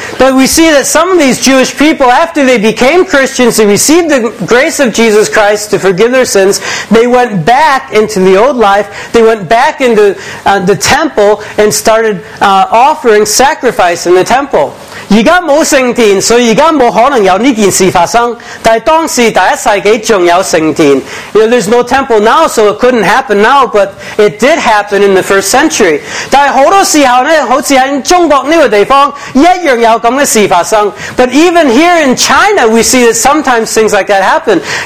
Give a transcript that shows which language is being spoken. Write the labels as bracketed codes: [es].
[en] But we see that some of these Jewish people, after they became Christians, they received the grace of Jesus Christ to forgive their sins, they went back into the old life, they went back into the temple and started offering sacrifice in the temple. [zh] 現在沒有聖殿，所以現在不可能有這件事發生，但是當時第一世紀還有聖殿。 [en] You know, there's no temple now, so it couldn't happen now, but it did happen in the first century. [zh] 但是很多時候呢，好像在中國這個地方，一樣有這樣的事發生。 [en] But even here in China, we see that sometimes things like that happen.